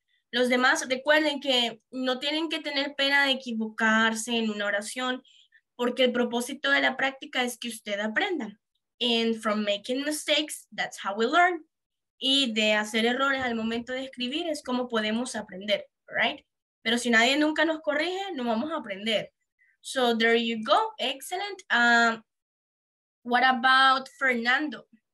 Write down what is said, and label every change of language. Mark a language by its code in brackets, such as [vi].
[es] Los demás, recuerden que no tienen que tener pena de equivocarse en una oración, porque el propósito de la práctica es que usted aprenda. [en] And from making mistakes, that's how we learn. [es] Y de hacer errores al momento de escribir es como podemos aprender, right? Pero si nadie nunca nos corrige, no vamos a aprender. [en] So there you go, excellent. What about Fernando?